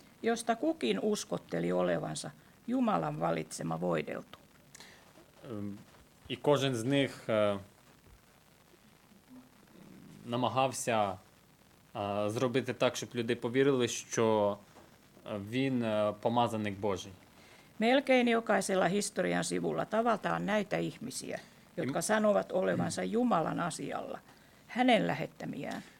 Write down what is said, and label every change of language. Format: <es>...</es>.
<fi>Josta kukin uskotteli olevansa Jumalan valitsema voideltu.</fi> <uk>І кожен з них намагався зробити так, щоб люди повірили, що він помазаник Божий.</uk> <fi>Melkein jokaisella historian sivulla tavataan näitä ihmisiä, jotka sanovat olevansa Jumalan asialla, hänen lähettämiään.</fi>